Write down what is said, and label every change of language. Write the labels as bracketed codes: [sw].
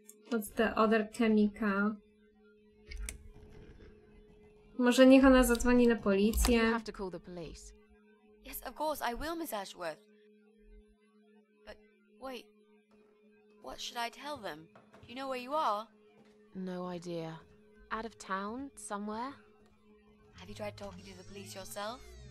[en] What's the other chemical? [pl] Może niech ona zadzwoni na policję? [en] Yes, of course, I will, Miss Ashworth. But, wait. What should I tell them? Do you know where you are? No idea. Out of town, somewhere? Have you tried talking to the police yourself?